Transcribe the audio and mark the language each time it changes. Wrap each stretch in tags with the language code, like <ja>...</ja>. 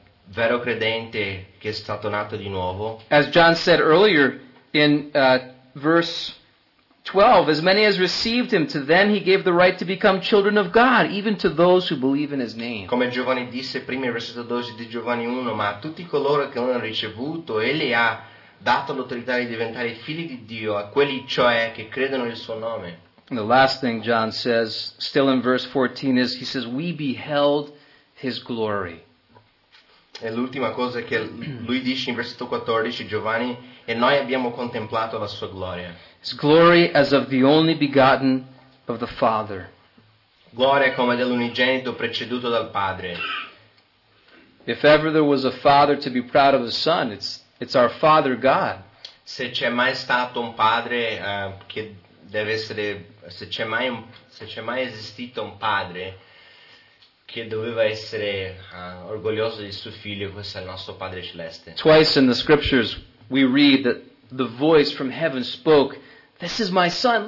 <it>vero credente che è stato nato di nuovo,</it> <en>as John said earlier in verse 12, as many as received him, to them he gave the right to become children of God, even to those who believe in his name.</en> <it>Come Giovanni disse prima in versetto 12 di Giovanni 1, ma a tutti coloro che l'hanno ricevuto, egli ha dato l'autorità di diventare figli di Dio, a quelli cioè che credono nel suo nome.</it> <en>And the last thing John says, still in verse 14, is he says, we beheld his glory.</en> <it>E l'ultima cosa che lui dice in versetto 14, Giovanni, e noi abbiamo contemplato la sua gloria.</it> <en>His glory as of the only begotten of the Father.</en> <it>Gloria come dell'unigenito preceduto dal Padre.</it> <en>If ever there was a father to be proud of a son, it's our Father God.</en> <it>Se c'è mai stato un padre che deve essere, se c'è mai esistito un padre che doveva essere orgoglioso di suo figlio, questo è il nostro Padre celeste.</it> <en>Twice in the scriptures we read that the voice from heaven spoke, "This is my son.</en>